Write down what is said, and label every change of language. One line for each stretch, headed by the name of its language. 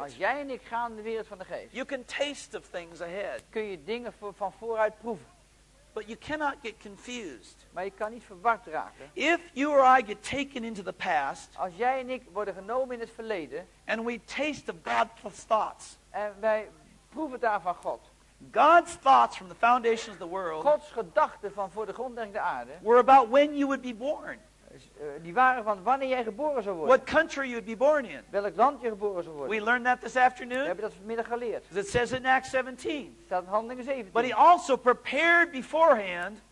Dutch: als jij en ik gaan in de wereld van de geest,
English: you can taste of things ahead.
Dutch: Kun je dingen van vooruit proeven.
English: But you cannot get confused.
Dutch: Maar je kan niet verward raken.
English: If you or I get taken into the past,
Dutch: als jij en ik worden genomen in het verleden,
English: and we taste of God's thoughts,
Dutch: en wij proeven daar van God.
English: God's thoughts from the foundations of the world.
Dutch: Gods gedachten van voor de grondlegging der aarde.
English: Were about when you would be born.
Dutch: Die waren van wanneer jij geboren zou worden.
English: What country you would be born in.
Dutch: Welk land je geboren zou worden.
English: We learned that this afternoon.
Dutch: We hebben dat vanmiddag geleerd.
English: It says in Acts 17.
Dutch: Staat in Handelingen 17.
English: But he also prepared beforehand.